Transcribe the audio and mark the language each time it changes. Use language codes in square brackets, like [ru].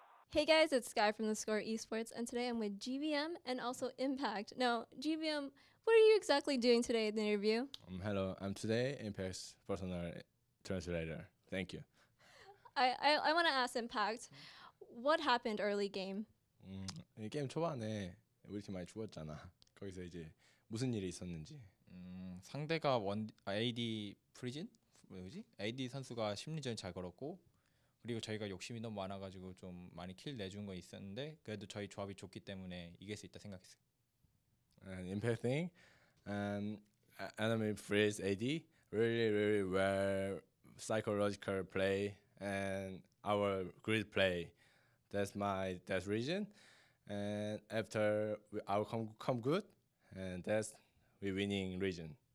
[en] Hey guys, it's Sky from theScore eSports, and today I'm with GBM and also Impact. Now, GBM, what are you exactly doing today at the interview? Hello, I'm today Impact's personal translator. Thank you. I want to ask Impact, what happened early game? [ko] 이 게임 초반에 우리 팀 많이 죽었잖아. 거기서 이제 무슨 일이 있었는지. 상대가 원 AD 프리진? 뭐지? AD 선수가 심리전 잘 걸었고 그리고 저희가 욕심이 너무 많아가지고 좀 많이 킬 내준 거 있었는데 그래도 저희 조합이 좋기 때문에 이길 수 있다 생각했어요. [en] And impact thing, enemy freeze AD really well psychological play and our grid play. That's reason. And after our come good, and that's we winning reason.